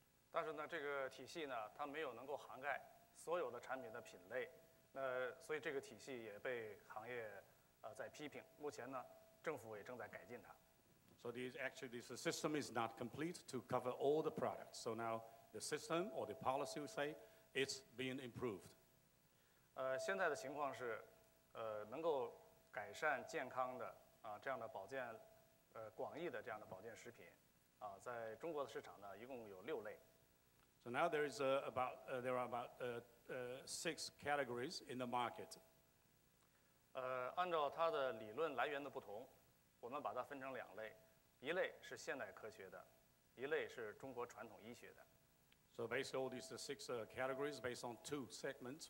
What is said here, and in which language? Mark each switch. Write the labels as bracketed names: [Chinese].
[Chinese] 但是呢，这个体系呢，它没有能够涵盖所有的产品的品类，那所以这个体系也被行业在批评。目前呢，政府也正在改进它。 [English] So this system is not complete to cover all the products. So now the system or the policy will say. It's being improved. [Chinese] 现在的情况是，能够改善健康的啊这样的保健，广义的这样的保健食品，啊，在中国的市场呢，一共有六类。 [English] So now there is about six categories in the market. [Chinese] 按照它的理论来源的不同，我们把它分成两类，一类是现代科学的，一类是中国传统医学的。 [English] So basically all these six categories based on two segments.